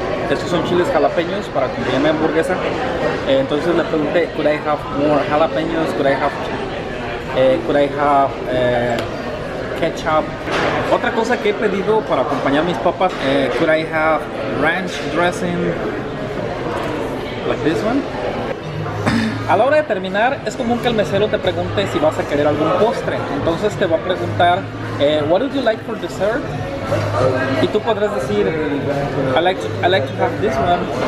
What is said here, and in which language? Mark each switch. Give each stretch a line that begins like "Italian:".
Spanish: Estos son chiles jalapeños para acompañar mi hamburguesa. Entonces le pregunté,
English: could I have more jalapeños, could I have ketchup.
Spanish: Otra cosa que he pedido para acompañar mis papas,
English: could I have ranch dressing, like this one.
Spanish: A la hora de terminar, es común que el mesero te pregunte si vas a querer algún postre. Entonces te va a preguntar,
English: what would you like for dessert?
Spanish: Y tú podrás decir,
English: I like to have this one.